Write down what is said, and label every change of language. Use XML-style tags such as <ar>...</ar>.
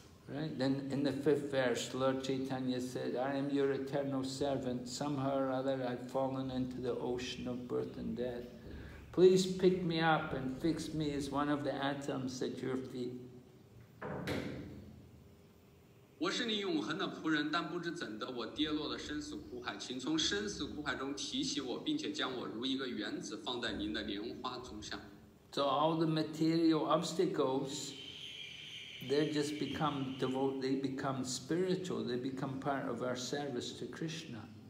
<en>Right, then in the fifth verse, Lord Chaitanya said, "I am your eternal servant. Somehow or other, I've fallen into the ocean of birth and death. Please pick me up and fix me as one of the atoms at your feet."</en> <zh>我是你永恒的仆人，但不知怎的，我跌落了生死苦海，请从生死苦海中提起我，并且将我如一个原子放在您的莲花足上。</zh> <en>So all the material obstacles, they just become devote, they become spiritual, they become part of our service to Krishna.</en>